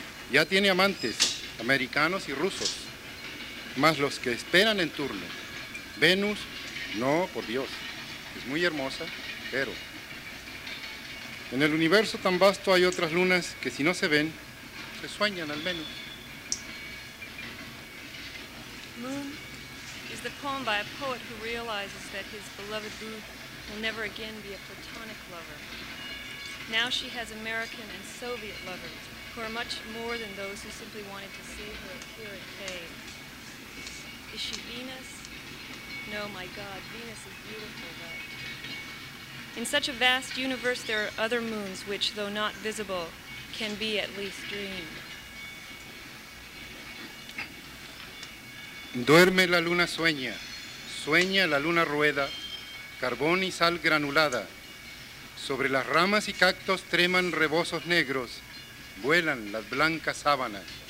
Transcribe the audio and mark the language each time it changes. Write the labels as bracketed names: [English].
[Spanish] Ya tiene amantes, americanos y rusos, más los que esperan en turno. Venus, no, por Dios, es muy hermosa, pero... En el universo tan vasto hay otras lunas que si no se ven, se sueñan al menos. [English] Moon is the poem by a poet who realizes that his beloved Ruth will never again be a platonic lover. Now she has American and Soviet lovers who are much more than those who simply wanted to see her appear at bay. Is she Venus? No, my God, Venus is beautiful, but... In such a vast universe, there are other moons which, though not visible, can be at least dreamed. [Spanish] Duerme la luna sueña, sueña la luna rueda, carbón y sal granulada. Sobre las ramas y cactos treman rebozos negros, vuelan las blancas sábanas.